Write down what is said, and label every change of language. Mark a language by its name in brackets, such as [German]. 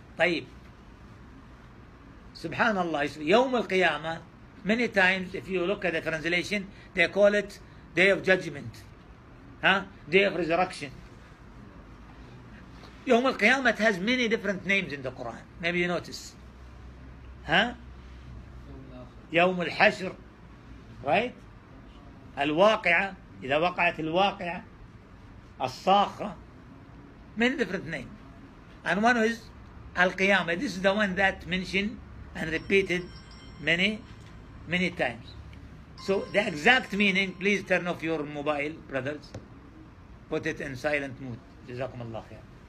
[Arabic] طيب سبحان الله يوم القيامة. [English] Many times if you look at the translation, they call it day of judgment, day of resurrection. يوم القيامة has many different names in the Quran. Maybe you notice, يوم الحشر, right, الواقعة, [Arabic] إذا وقعت الواقعة, [English] الصاخة. Many different names. And one is Al-Qiyamah. This is the one that mentioned and repeated many, many times. So the exact meaning, please turn off your mobile, brothers. Put it in silent mood. Jazakum Allah khair.